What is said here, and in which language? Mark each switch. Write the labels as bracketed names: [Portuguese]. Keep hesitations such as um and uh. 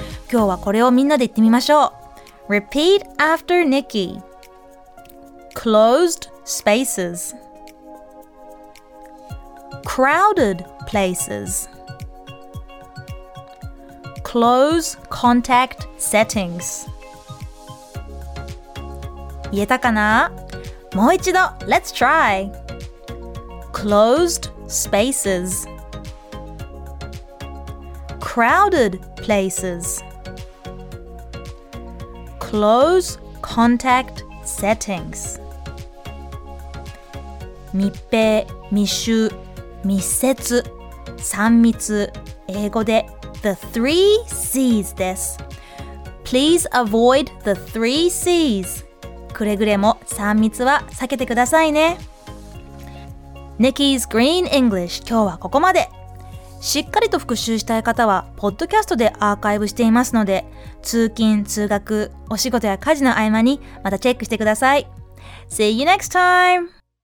[Japanese] 今日はこれをみんなで言ってみましょう [English] Repeat after Nikki closed spaces, crowded places, close contact settings. [Japanese] 言えたかなもう一度、 [English] Let's try! Closed spaces, crowded places, close contact settings. [Japanese] 密閉、密集、密接、三密、英語で The three C's です。 [English] Please avoid the three C's. [Japanese] くれぐれも三密は避けてくださいね。Nikki's Green English 今日はここまで。しっかりと復習したい方は、ポッドキャストでアーカイブしていますので、通勤、通学、お仕事や家事の合間にまたチェックしてください。 [English] See you next time!